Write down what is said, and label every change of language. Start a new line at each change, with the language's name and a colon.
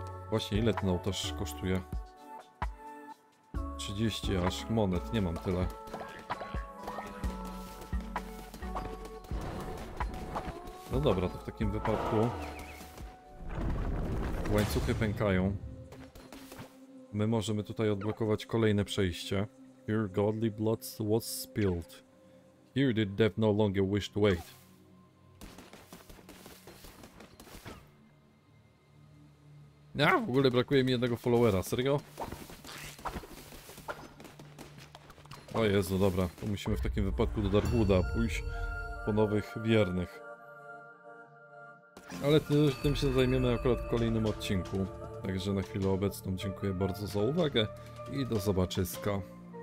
Polish: Właśnie, ile ten ołtarz kosztuje? 30 aż monet, nie mam tyle. No dobra, to w takim wypadku łańcuchy pękają. My możemy tutaj odblokować kolejne przejście.
English: Here godly blood was spilled. Here did death no longer wish to wait.
Polish: Ja, w ogóle brakuje mi jednego followera, serio? O Jezu, dobra, to musimy w takim wypadku do Darkwooda pójść po nowych wiernych. Ale tym się zajmiemy akurat w kolejnym odcinku. Także na chwilę obecną dziękuję bardzo za uwagę i do zobaczenia.